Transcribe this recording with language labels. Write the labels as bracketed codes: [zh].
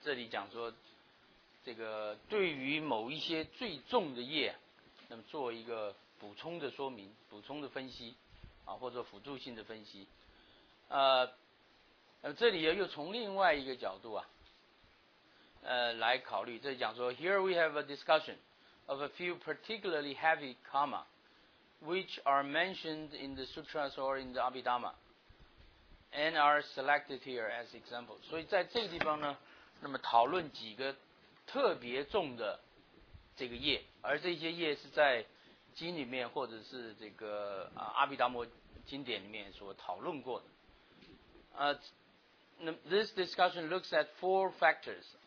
[zh] 这里讲说这个对于某一些最重的业，那么做一个补充的说明，补充的分析啊，或者辅助性的分析。这里又从另外一个角度啊来考虑。这里讲说 [en] Here we have a discussion of a few particularly heavy karma which are mentioned in the sutras or in the Abhidhamma and are selected here as examples. [zh] 所以在这个地方呢，那么讨论几个特别重的这个业，而这些业是在经里面或者是这个阿毗达摩经典里面所讨论过的。 [en] This discussion looks at four factors.